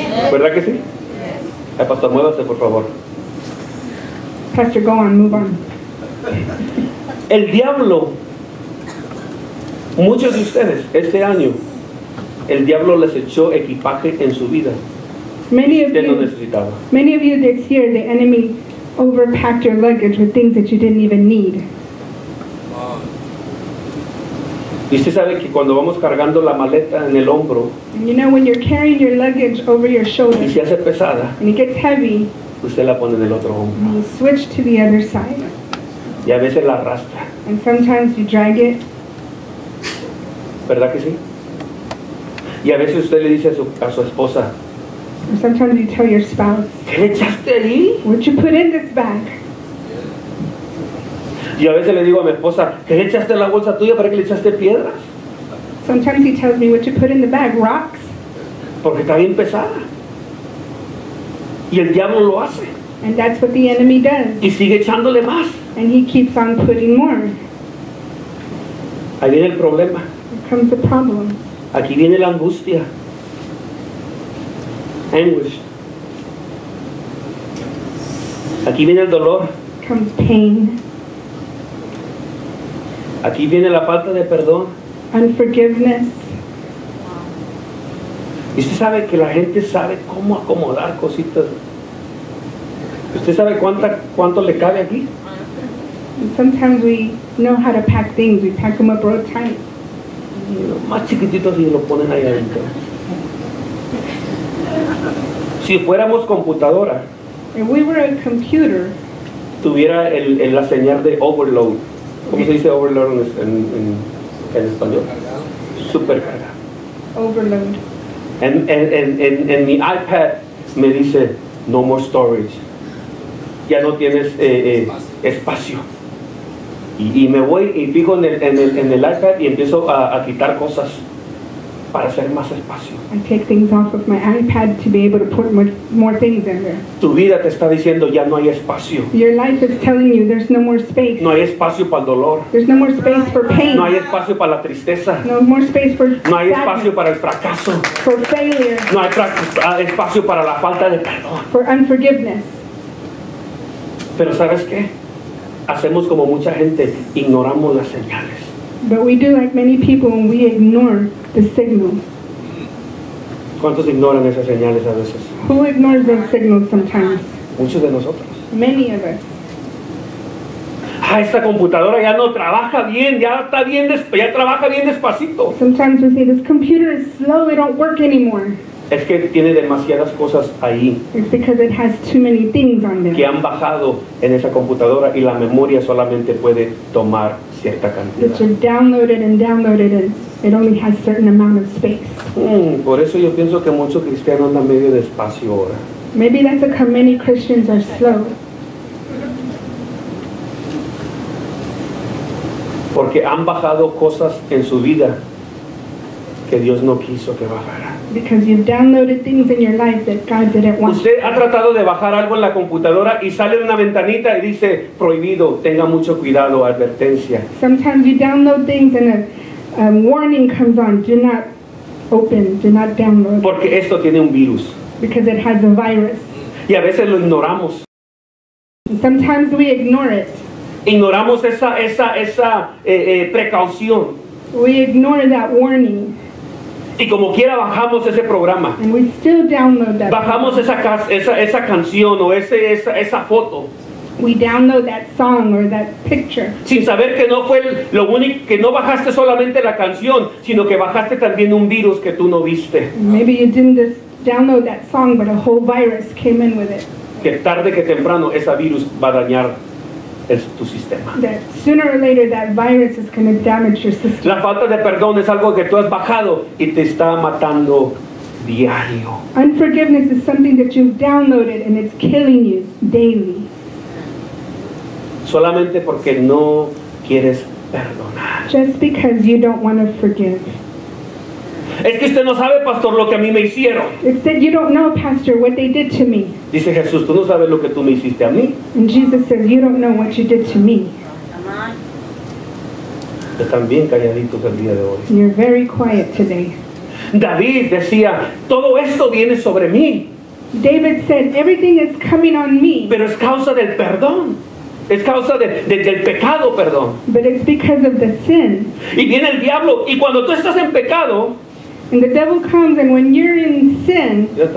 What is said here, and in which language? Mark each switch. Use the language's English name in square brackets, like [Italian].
[Spanish] ¿Verdad que sí? Ay, pastor, muévase, por favor. [English] Pastor, go on, move on. [Spanish] El diablo, muchos de ustedes, este año, el diablo les echó equipaje en su vida. [English] Many of [Spanish] usted lo necesitaba. [English] Many of you this year, the enemy overpacked your luggage with things that you didn't even need. [Spanish] Y usted sabe que cuando vamos cargando la maleta en el hombro, [English] and you know when you're carrying your luggage over your shoulder, [Spanish] y se hace pesada, [English] and it gets heavy, [Spanish] usted la pone en el otro hombro, [English] and you switch to the other side, [Spanish] y a veces la arrastra, [English] and sometimes you drag it, [Spanish] ¿verdad que sí? Y a veces usted le dice a su esposa, [English] and sometimes you tell your spouse, [Spanish] ¿qué le echaste ahí? [English] What you put in this bag? [Spanish] Y a veces le digo a mi esposa, ¿qué le echaste en la bolsa tuya? ¿Para qué le echaste piedras? [English] Sometimes he tells me, what you put in the bag, rocks. [Spanish] Porque está bien pesada. Y el diablo lo hace. [English] And that's what the enemy does. [Spanish] Y sigue echándole más. [English] And he keeps on putting more. [Spanish] Ahí viene el problema. [English] Here comes the problem. [Spanish] Aquí viene la angustia. [English] Anguish. [Spanish] Aquí viene el dolor. [English] Comes pain. [Spanish] Aquí viene la falta de perdón. [English] Unforgiveness. [Spanish] Y usted sabe que la gente sabe cómo acomodar cositas. ¿Usted sabe cuánto le cabe aquí? [English] And sometimes we know how to pack things. We pack them up real tight. [Spanish] Lo más chiquitito y lo ponen ahí adentro. Si fuéramos computadora, [English] if we were a computer, [Spanish] tuviera la señal de overload. ¿Cómo se dice overload en español? Supercarga. [English] Overload. [Spanish] En mi iPad me dice [English] no more storage. [Spanish] Ya no tienes espacio. Y me voy y fijo en el iPad y empiezo a quitar cosas para hacer más espacio. [English] I take things off of my iPad to be able to put more things in there. [Spanish] Tu vida te está diciendo ya no hay espacio. [English] Your life is telling you there's no more space. [Spanish] No hay espacio para el dolor. [English] There's no more space for pain. [Spanish] No hay espacio para la tristeza. [English] No more space for [Spanish] sadness. No hay espacio para el fracaso. [English] For failure. [Spanish] No hay espacio para la falta de perdón. [English] For unforgiveness. [Spanish] Pero ¿sabes qué? Hacemos como mucha gente, ignoramos las señales. [English] But we do like many people and we ignore the signals. [Spanish] ¿Cuántos ignoran esas señales a veces? [English] Who ignores those signals sometimes? [Spanish] Muchos de nosotros. [English] Many of us. [Spanish] Ah, esta computadora ya no trabaja bien, ya trabaja bien despacito. [English] Sometimes we say this computer is slow, it don't work anymore. [Spanish] Es que tiene demasiadas cosas ahí. [English] It's because it has too many things on there. [Spanish] Que han bajado en esa computadora y la memoria solamente puede tomar cierta cantidad. [English] That you've downloaded and downloaded and it only has certain amount of space. [Spanish] Por eso yo pienso que muchos cristianos andan medio despacio ahora. [English] Maybe that's because many Christians are slow. [Spanish] Porque han bajado cosas en su vida que Dios no quiso que bajara. [English] Because you've downloaded things in your life that God didn't want. [Spanish] Usted ha tratado de bajar algo en la computadora y sale una ventanita y dice prohibido, tenga mucho cuidado, advertencia. [English] Sometimes you download things and a warning comes on, do not open, do not download. [Spanish] Porque esto tiene un virus. [English] Because it has a virus. [Spanish] Y a veces lo ignoramos. [English] Sometimes we ignore it. [Spanish] Ignoramos esa precaución. [English] We ignore that warning. [Spanish] Y como quiera bajamos ese programa. [English] And we still download that. [Spanish] Bajamos esa canción o esa foto. [English] We download that song or that picture. [Spanish] Sin saber que no fue lo único, que no bajaste solamente la canción, sino que bajaste también un virus que tú no viste. [English] Maybe you didn't just download that song, but a whole virus came in with it. [Spanish] Que tarde que temprano ese virus va a dañar tu sistema. [English] That sooner or later that virus is going to damage your system. [Spanish] La falta de perdón es algo que tú has bajado y te está matando diario. [English] Unforgiveness is something that you've downloaded and it's killing you daily. [Spanish] Solamente porque no quieres perdonar. [English] Just because you don't want to forgive. [Spanish] Es que usted no sabe, pastor, lo que a mí me hicieron. [English] It's that you don't know, pastor, what they did to me. [Spanish] Dice Jesús, tú no sabes lo que tú me hiciste a mí. [English] And Jesus says, you don't know what you did to me. [Spanish] Están bien calladitos el día de hoy. [English] You're very quiet today. [Spanish] David decía, todo esto viene sobre mí. [English] David said, everything is coming on me. [Spanish] Pero es causa del perdón. Es causa del pecado, perdón. [English] But it's because of the sin. [Spanish] Y viene el diablo, y cuando tú estás en pecado, [English] and the devil comes, and when you're in sin,